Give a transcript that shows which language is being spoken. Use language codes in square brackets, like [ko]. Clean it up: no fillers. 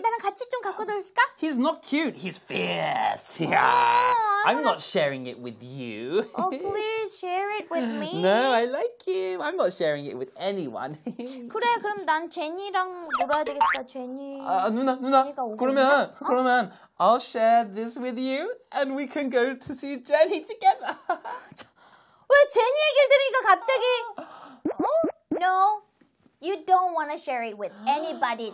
[ko] 나랑 같이 좀 갖고 놀을까? [en] He's not cute. He's fierce. Yeah. I'm not sharing it with you. please share it with me. No, I like him. I'm not sharing it with anyone. [ko] 그래, 그럼 난 제니랑 놀아야 되겠다. 제니. 누나. 그러면 [en] I'll share this with you, and we can go to see Jenny together. [ko] 왜 제니 얘기를 들으니까 갑자기? [en] No. You don't want to share it with anybody.